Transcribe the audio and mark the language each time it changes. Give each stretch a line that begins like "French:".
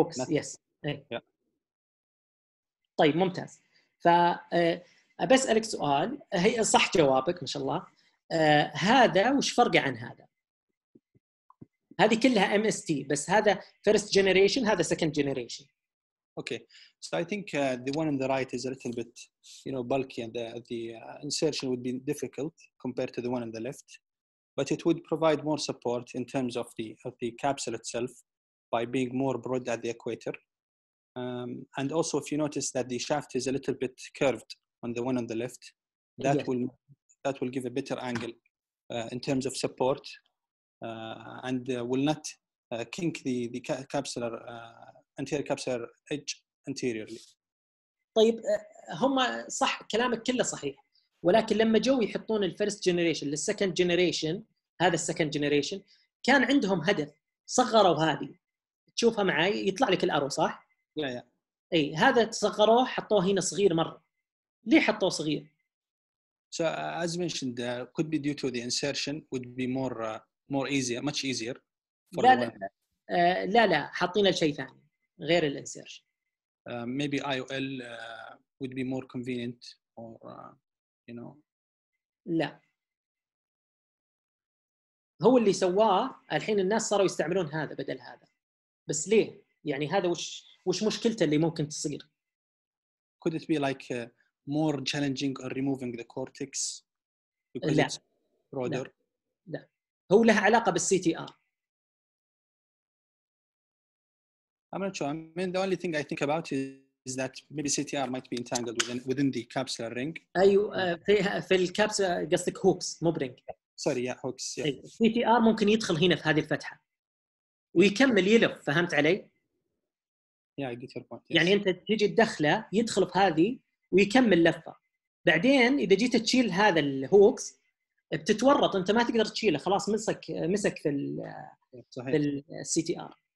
Arabic: يس طيب ممتاز ف بسالك سؤال هي صح جوابك ما شاء الله هذا وش فرقه عن هذا هذه كلها MST بس هذا
English: first generation
Arabic: هذا
English: second generation okay so I think the one on the right is a little bit you know bulky and the insertion would be difficult compared to the one on the left but it would provide more support in terms of the capsule itself by being more broad at the equator and also if you notice that the shaft is a little bit curved on the one on the left that yes. will give a better angle in terms of support and will not kink the capsular anterior capsular edge anteriorly
Arabic: طيب هم صح كلامك كله صحيح ولكن لما جو يحطون الفيرست جينيريشن للسكند جينيريشن هذا السكند جينيريشن كان عندهم هدف صغروا هذه تشوفها معي يطلع لك الارو صح لا اي هذا تصغروه حطوه هنا صغير مره ليه حطوه صغير
English: So as mentioned, could be due to the insertion would be more more easier, much easier.
Arabic: For لا لا لا حطينا شيء ثاني غير الانسيرشن.
English: Maybe IOL would be more convenient or you know
Arabic: لا هو اللي سواه الحين الناس صاروا يستعملون هذا بدل هذا بس ليه يعني هذا وش مشكلته اللي ممكن تصير
English: could it be like more challenging or removing the cortex
Arabic: لا.
English: broader
Arabic: لا. لا هو له علاقه بالسي تي ار
English: I'm not sure. I mean, the only thing I think about is that maybe CTR might be entangled within the capsular ring.
Arabic: أيوة في في الكابسلة قصدك hooks مو برينج.
English: Sorry, yeah, hooks. Yeah.
Arabic: CTR ممكن يدخل هنا في هذه الفتحة ويكمل يلف. فهمت علي؟
English: Yeah, I get your point.
Arabic: يعني أنت تيجي تدخله يدخل في هذه ويكمل لفة. بعدين إذا جيت تشيل هذا ال hooks بتتورط أنت ما تقدر تشيله خلاص مسك في ال في ال CTR.